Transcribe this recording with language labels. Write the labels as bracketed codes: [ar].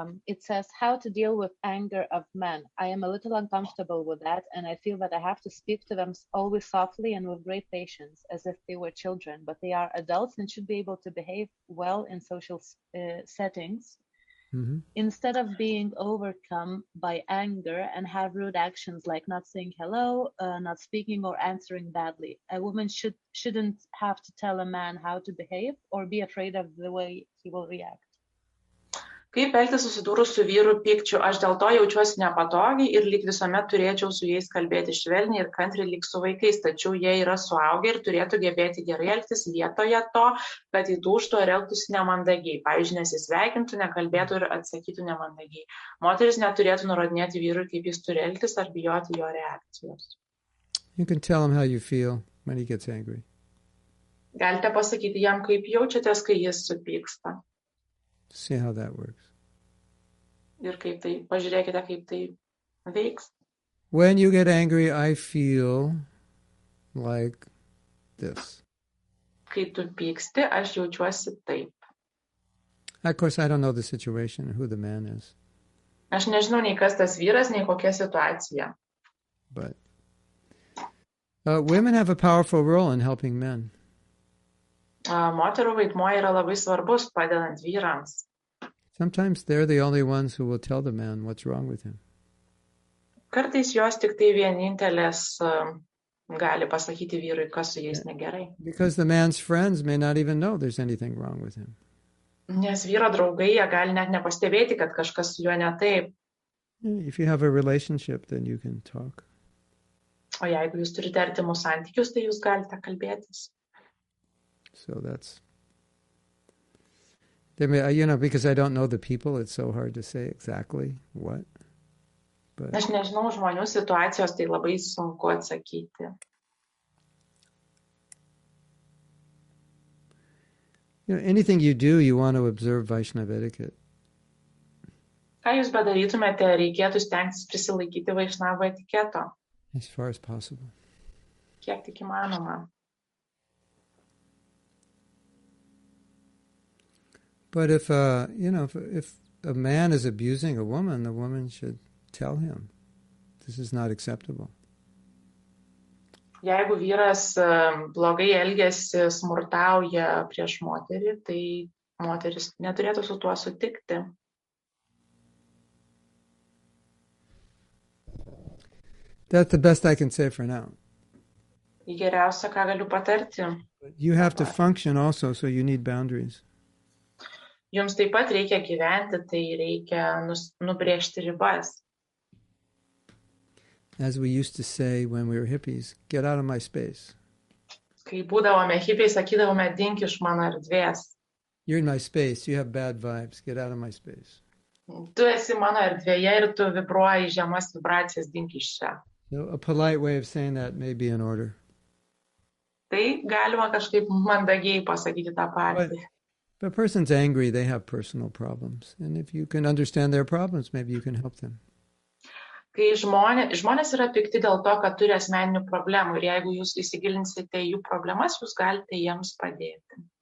[en] It says, how to deal with anger of men? I am a little uncomfortable with that, and I feel that I have to speak to them always softly and with great patience, as if they were children, but they are adults and should be able to behave well in social settings. Mm-hmm. Instead of being overcome by anger and have rude actions like not saying hello, not speaking or answering badly, a woman shouldn't have to tell a man how to behave or be afraid of the way he will react. [lt] Kaip elgtis susidūrus su vyru pykčiu, aš dėl to jaučiuosi nepatogiai ir lyg visuomet turėčiau su jais kalbėti švelniai ir kantriai lyg su vaikais, tačiau jie yra suaugę ir turėtų gebėti gerai elgtis vietoje to, kad įdūštų ar elgtųsi nemandagiai. Pavyzdžiui, nesisveikintų, nekalbėtų ir atsakytų nemandagiai. Moteris neturėtų nurodinėti vyrui, kaip jis turi elgtis ar bijoti jo reakcijos. [en] You can tell him how you feel when he gets angry. [lt] Galite pasakyti jam, kaip jaučiatės, kai jis supyksta. [en] See how that works. [lt] Ir kaip tai, pažiūrėkite, kaip tai veiks. [en] When you get angry, I feel like this. [lt] Kai tu pyksti, aš jaučiuosi taip. [en] Of course, I don't know the situation, who the man is. [lt] Aš nežinau nei kas tas vyras, nei kokia situacija. [en] But women have a powerful role in helping men. [lt] Moterų vaidmuo yra labai svarbus padedant vyrams. [en] Sometimes they're the only ones who will tell the man what's wrong with him. [lt] Kartais jos tik tai vienintelės gali pasakyti vyrui, kas su jais negerai. [en] Because the man's friends may not even know there's anything wrong with him. [lt] Nes vyro draugai jie gali net nepastebėti, kad kažkas su juo ne taip. [en] If you have a relationship, then you can talk. [lt] O jeigu jūs turite artimus santykius, tai jūs galite kalbėtis. [en] So that's... There may, you know, because I don't know the people, it's so hard to say exactly what. But... [lt] Aš nežinau žmonių situacijos, tai labai sunku atsakyti. [en] You know, anything you do, you want to observe Vaishnava etiquette. [lt] Ką jūs bedarytumėte, reikėtų stengtis prisilaikyti Vaishnava etiketo. [en] As far as possible. [lt] Kiek tik įmanoma. [en] But if you know, if a man is abusing a woman, the woman should tell him, "This is not acceptable." [lt] Jeigu vyras blogai elgiasi, smurtauja prieš moterį, tai moteris neturėtų su tuo sutikti. [en] That's the best I can say for now. [lt] Geriausia, ką galiu patarti. [en] You have to function also, so you need boundaries. [lt] Jums taip pat reikia gyventi, tai reikia nubrėžti ribas. [en] As we used to say when we were hippies, get out of my space. [lt] Kai būdavome hippies, sakydavome, dink iš mano erdvės. [en] You're in my space, you have bad vibes, get out of my space. [lt] Tu esi mano erdvėje ir tu vibruoji žemas vibracijas, dink iš čia. [en] So a polite way of saying that may be in order. [lt] Tai galima kažkaip mandagiai pasakyti tą patį. [en] If a person's angry, they have personal problems. And if you can understand their problems, maybe you can help them. [lt] Kai žmonės yra pikti dėl to, kad turi asmeninių problemų, ir jeigu jūs įsigilinsite jų problemas, jūs galite jiems padėti.